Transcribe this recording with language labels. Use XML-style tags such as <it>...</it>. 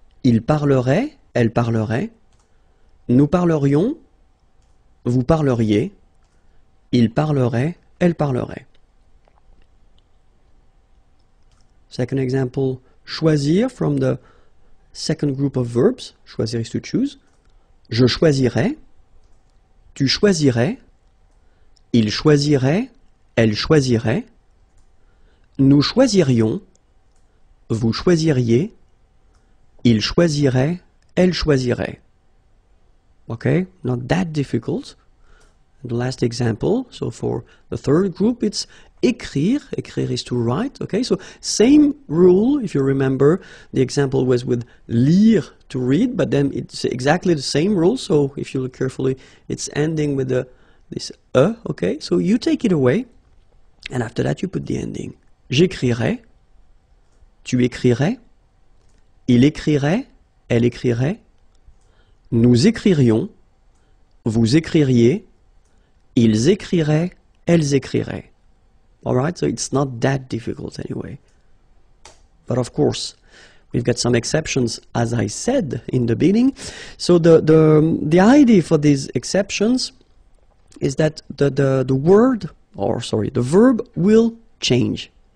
<fr>Il parlerait, elle parlerait. Nous parlerions, vous parleriez. Il parlerait, elle parlerait.</fr> <en>Second example, choisir from the second group of verbs. Choisir is to choose.</en> <fr>Je choisirais, tu choisirais, il choisirait, elle choisirait, nous choisirions, vous choisiriez, il choisirait, elle choisirait.</fr> <en>Okay, not that difficult. The last example, so for the third group, it's écrire. Écrire is to write. Okay, so same rule, if you remember, the example was with lire to read, but then it's exactly the same rule. So if you look carefully, it's ending with this okay? So you take it away, and after that, you put the ending.</en> <fr>J'écrirai, tu écrirais, il écrirait, elle écrirait, nous écririons, vous écririez, ils écriraient, elles écriraient.</fr> <en>Alright, so it's not that difficult anyway. But of course, we've got some exceptions, as I said in the beginning. So the idea for these exceptions is that the verb will change.</en>